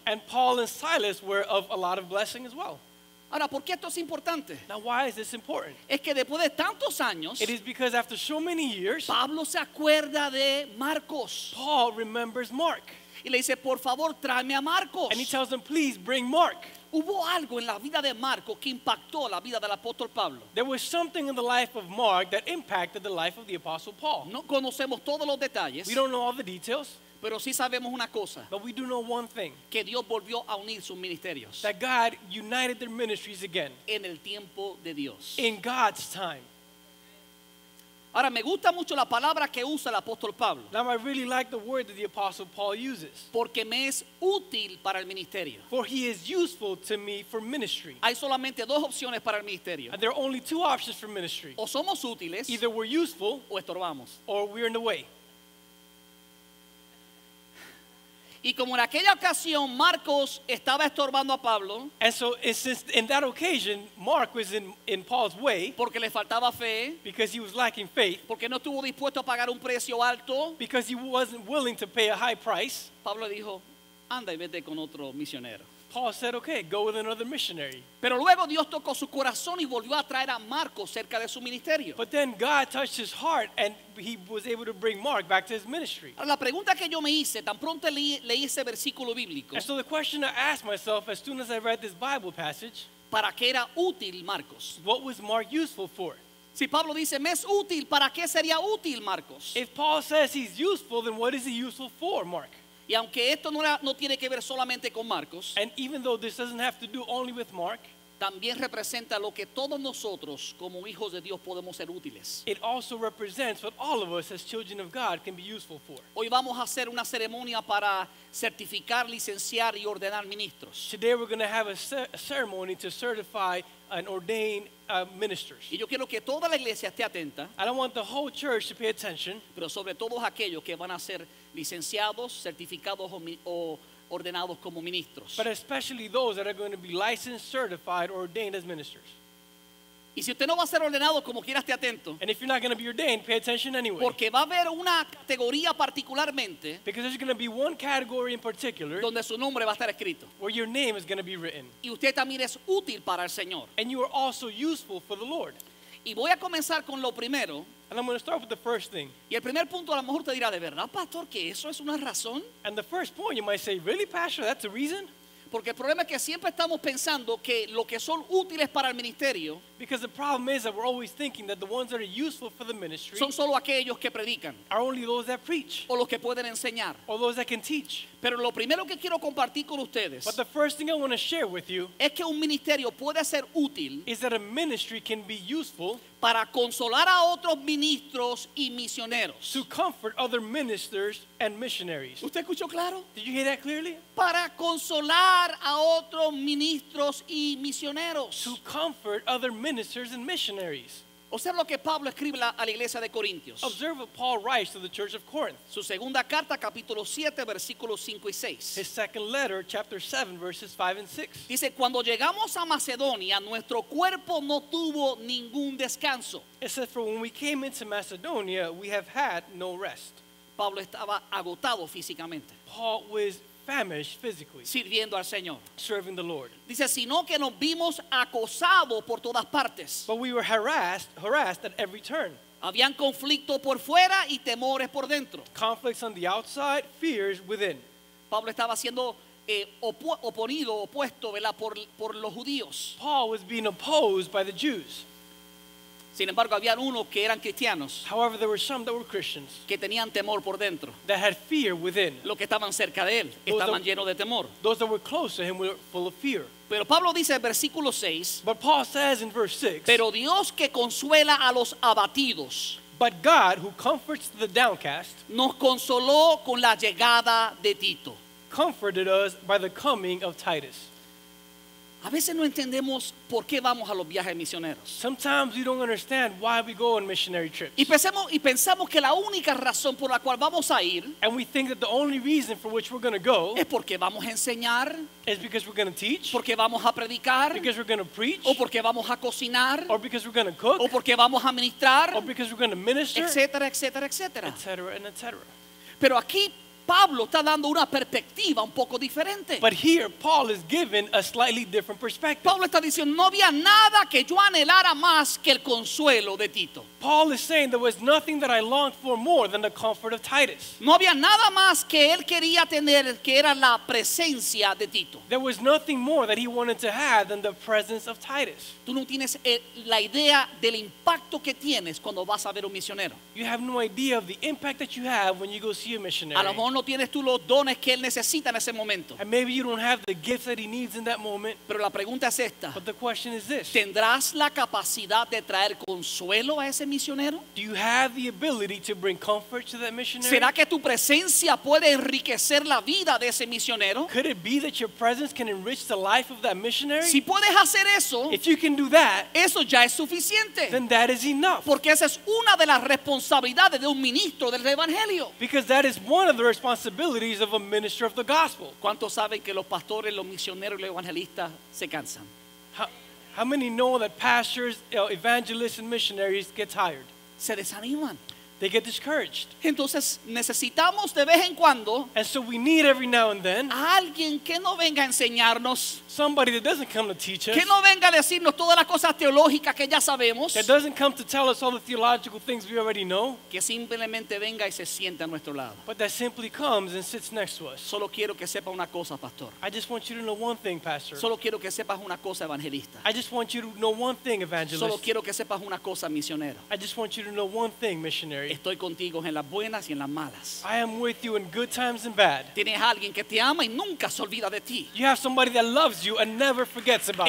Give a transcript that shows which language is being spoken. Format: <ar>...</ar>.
<en>And Paul and Silas were of a lot of blessing as well.</en> <es>Ahora, ¿por qué esto es importante?</es> <en>Now, why is this important?</en> <es>Es que después de tantos años,</es> <en>it is because after so many years,</en> <es>Pablo se acuerda de Marcos.</es> <en>Paul remembers Mark.</en> <es>Y le dice, por favor, tráeme a Marcos.</es> <en>And he tells him, please bring Mark.</en> <es>Hubo algo en la vida de Marcos que impactó la vida del apóstol Pablo.</es> <en>There was something in the life of Mark that impacted the life of the apostle Paul.</en> <es>No conocemos todos los detalles.</es> <en>We don't know all the details.</en> <es>Pero sí sabemos una cosa.</es> <en>But we do know one thing.</en> <es>Que Dios volvió a unir sus ministerios.</es> <en>That God united their ministries again.</en> <es>En el tiempo de Dios.</es> <en>In God's time.</en> <es>Ahora me gusta mucho la palabra que usa el apóstol Pablo.</es> <en>Now I really like the word that the apostle Paul uses.</en> <es>Porque me es útil para el ministerio.</es> <en>For he is useful to me for ministry.</en> <es>Hay solamente dos opciones para el ministerio.</es> <en>And there are only two options for ministry.</en> <es>O somos útiles.</es> <en>Either we're useful.</en> <es>O estorbamos.</es> <en>Or we're in the way.</en> <es>Y como en aquella ocasión Marcos estaba estorbando a Pablo,</es> <en>and so in that occasion Mark was in Paul's way,</en> <es>porque le faltaba fe,</es> <en>because he was lacking faith,</en> <es>porque no estuvo dispuesto a pagar un precio alto,</es> <en>because he wasn't willing to pay a high price,</en> <es>Pablo dijo, anda y vete con otro misionero.</es> <en>Paul said, okay, go with another missionary.</en> <es>Pero luego Dios tocó su corazón y volvió a traer a Marcos cerca de su ministerio.</es> <en>But then God touched his heart and he was able to bring Mark back to his ministry.</en> <es>La pregunta que yo me hice, tan pronto leí ese versículo bíblico.</es> <en>And so the question I asked myself as soon as I read this Bible passage.</en> <es>¿Para qué era útil Marcos?</es> <en>What was Mark useful for?</en> <es>Si Pablo dice, me es útil, ¿para qué sería útil Marcos?</es> <en>If Paul says he's useful, then what is he useful for, Mark?</en> <es>Y aunque esto no tiene que ver solamente con Marcos,</es> <en>and even though this doesn't have to do only with Mark,</en> <es>también representa lo que todos nosotros como hijos de Dios podemos ser útiles.</es> <en>It also represents what all of us as children of God can be useful for.</en> <es>Hoy vamos a hacer una ceremonia para certificar, licenciar y ordenar ministros.</es> <en>Today we're going to have a ceremony to certify and ordain ministers.</en> <es>Y yo quiero que toda la iglesia esté atenta.</es> <en>I don't want the whole church to pay attention.</en> <es>Pero sobre todo aquellos que van a ser licenciados, certificados o ordenados como ministros.</es> <en>But especially those that are going to be licensed, certified, or ordained as ministers.</en> <es>Y si usted no va a ser ordenado, como quiera, esté atento.</es> <en>And if you're not going to be ordained, pay attention anyway.</en> <es>Porque va a haber una categoría particularmente.</es> <en>Because there's going to be one category in particular.</en> <es>Donde su nombre va a estar escrito.</es> <en>Where your name is going to be written.</en> <es>Y usted también es útil para el Señor.</es> <en>And you are also useful for the Lord.</en> <es>Y voy a comenzar con lo primero.</es> <en>And I'm going to start with the first thing.</en> <es>Y el primer punto a lo mejor te dirá, ¿de verdad, pastor, que eso es una razón?</es> <en>And the first point you might say, really, pastor, that's a reason?</en> <es>Porque el problema es que siempre estamos pensando que lo que son útiles para el ministerio,</es> <en>because the problem is that we're always thinking that the ones that are useful for the ministry,</en> <es>son solo aquellos que predican,</es> <en>are only those that preach,</en> <es>o los que pueden enseñar,</es> <en>or those that can teach.</en> <es>Pero lo primero que quiero compartir con ustedes,</es> <en>but the first thing I want to share with you,</en> <es>es que un ministerio puede ser útil,</es> <en>is that a ministry can be useful,</en> <es>para consolar a otros ministros y misioneros,</es> <en>to comfort other ministers and missionaries.</en> <es>¿Usted escuchó claro?</es> <en>Did you hear that clearly?</en> <es>Para consolar a otros ministros y misioneros,</es> <en>to comfort other ministers and missionaries.</en> <es>Observa lo que Pablo escribe a la iglesia de Corintios.</es> <en>Observe what Paul writes to the church of Corinth.</en> <es>Su segunda carta, capítulo 7, versículos 5 y 6.</es> <en>His second letter, chapter 7, verses 5 and 6.</en> <es>Dice, cuando llegamos a Macedonia, nuestro cuerpo no tuvo ningún descanso.</es> <en>It says, for when we came into Macedonia, we have had no rest.</en> <es>Pablo estaba agotado físicamente.</es> <en>Paul was famished physically.</en> <es>Sirviendo al Señor.</es> <en>Serving the Lord.</en> <es>Dice, sino que nos vimos acosados por todas partes.</es> <en>But we were harassed at every turn.</en> <es>Habían conflicto por fuera y temores por dentro.</es> <en>Conflicts on the outside, fears within.</en> <es>Pablo estaba siendo opuesto, ¿verdad? Por los judíos.</es> <en>Paul was being opposed by the Jews.</en> <es>Sin embargo, había unos que eran cristianos.</es> <en>However, there were some that were Christians.</en> <es>Que tenían temor por dentro.</es> <en>That had fear within.</en> <es>Los que estaban cerca de él estaban llenos de temor.</es> <en>Those that were close to him were full of fear.</en> <es>Pero Pablo dice en versículo 6.</es> <en>But Paul says in verse 6.</en> <es>Pero Dios que consuela a los abatidos.</es> <en>But God who comforts the downcast.</en> <es>Nos consoló con la llegada de Tito.</es> <en>Comforted us by the coming of Titus.</en> <es>A veces no entendemos por qué vamos a los viajes misioneros.</es> <en>Sometimes we don't understand why we go on missionary trips.</en> <es>Y pensamos que la única razón por la cual vamos a ir.</es> <en>And we think that the only reason for which we're going to go.</en> <es>Es porque vamos a enseñar.</es> <en>Is because we're going to teach.</en> <es>Porque vamos a predicar.</es> <en>Because we're going to preach.</en> <es>O porque vamos a cocinar.</es> <en>Or because we're going to cook.</en> <es>O porque vamos a ministrar.</es> <en>Or because we're going to minister.</en> <es>Etcétera, etcétera, etcétera.</es> <en>Etcétera, and etcétera.</en> <es>Pero aquí Pablo está dando una perspectiva un poco diferente.</es> <en>But here Paul is given a slightly different perspective.</en> <es>Pablo está diciendo, no había nada que yo anhelara más que el consuelo de Tito.</es> <en>Paul is saying there was nothing that I longed for more than the comfort of Titus.</en> <es>No había nada más que él quería tener que era la presencia de Tito.</es> <en>There was nothing more that he wanted to have than the presence of Titus.</en> <es>Tú no tienes la idea del impacto que tienes cuando vas a ver un misionero.</es> <en>You have no idea of the impact that you have when you go see a missionary.</en> <es>A lo mejor no tienes tú los dones que él necesita en ese momento.</es> <en>And maybe you don't have the gift that he needs in that moment.</en> <es>Pero la pregunta es esta.</es> <en>But the question is this.</en> <es>¿Tendrás la capacidad de traer consuelo a ese misionero?</es> <en>Do you have the ability to bring comfort to that missionary?</en> <es>¿Será que tu presencia puede enriquecer la vida de ese misionero?</es> <en>Could it be that your presence can enrich the life of that missionary?</en> <es>Si puedes hacer eso,</es> <en>if you can do that,</en> <es>eso ya es suficiente.</es> <en>Then that is enough.</en> <es>Porque esa es una de las responsabilidades de un ministro del evangelio.</es> <en>Because that is one of the responsibilities of a minister of the gospel.</en> <es>¿Cuántos saben que los pastores, los misioneros y los evangelistas se cansan?</es> <en>How many know that pastors, evangelists, and missionaries get tired?</en> <es>Se desaniman.</es> <en>They get discouraged.</en> <es>Entonces necesitamos de vez en cuando.</es> <en>And so we need every now and then.</en> <es>Alguien que no venga a enseñarnos.</es> <en>Somebody that doesn't come to teach us.</en> <es>Que no venga a decirnos todas las cosas teológicas que ya sabemos.</es> <en>That doesn't come to tell us all the theological things we already know.</en> <es>Que simplemente venga y se siente a nuestro lado.</es> <en>But that simply comes and sits next to us.</en> <es>Solo quiero que sepa una cosa, pastor.</es> <en>I just want you to know one thing, pastor.</en> <es>Solo quiero que sepas una cosa, evangelista.</es> <en>I just want you to know one thing, evangelist.</en> <es>Solo quiero que sepas una cosa, misionero.</es> <en>I just want you to know one thing, missionary.</en> <es>Estoy contigo en las buenas y en las malas.</es> <en>I am with you in good times and bad.</en> <es>Tienes alguien que te ama y nunca se olvida de ti.</es> <en>You have somebody that loves you and never forgets about</en>